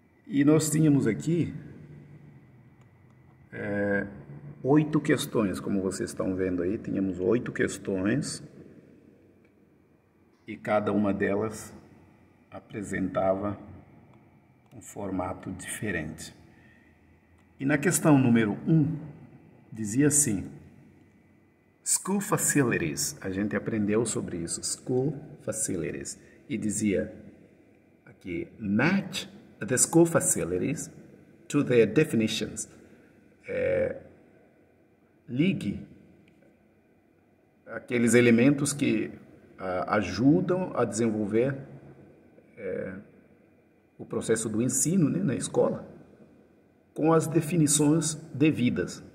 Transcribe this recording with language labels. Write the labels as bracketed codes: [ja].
[pt] E nós tínhamos aqui 8 questões, como vocês estão vendo aí, tínhamos 8 questões e cada uma delas apresentava um formato diferente. E na questão número 1, dizia assim: School facilities. A gente aprendeu sobre isso. School facilities. E dizia aqui: [en] Match the school facilities to their definitions. [pt] Ligue aqueles elementos que ajudam a desenvolver o processo do ensino, né, na escola, com as definições devidas.